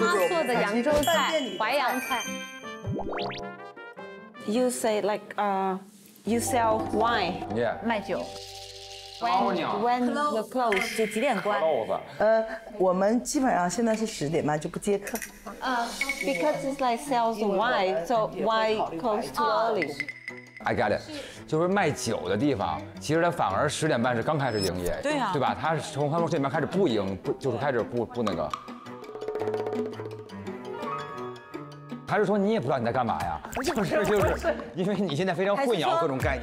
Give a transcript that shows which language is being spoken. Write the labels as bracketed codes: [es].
[zh] 的。妈妈做的扬州菜，淮扬菜。 [en] You say like, you sell wine. Yeah. [zh] 卖酒。 [en] When the close [zh] 就几点关？我们基本上现在是10点半就不接客。 [en] Because it's like sales wine, so why close too early? I got it. [zh] 就是卖酒的地方，其实它反而10点半是刚开始营业。对啊。对吧？它是从开门这边开始不营，不就是开始不那个。还是说你也不知道你在干嘛呀？不是，因为你现在非常混淆各种概念。